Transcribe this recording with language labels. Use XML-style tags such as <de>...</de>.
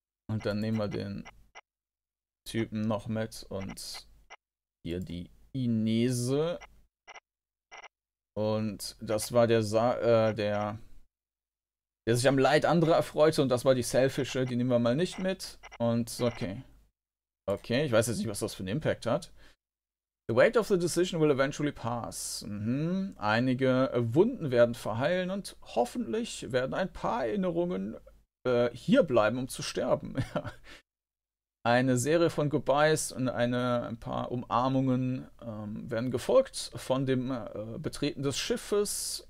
<de>Und dann nehmen wir den Typen noch mit und hier die Inese. Und das war der, der sich am Leid anderer erfreute. Und das war die Selfische, die nehmen wir mal nicht mit. Und okay. Okay, ich weiß jetzt nicht, was das für einen Impact hat.</de> <en>The weight of the decision will eventually pass. Mhm.</en> <de>Einige Wunden werden verheilen und hoffentlich werden ein paar Erinnerungen hier bleiben, um zu sterben. Eine Serie von Goodbyes und ein paar Umarmungen werden gefolgt von dem Betreten des Schiffes.</de>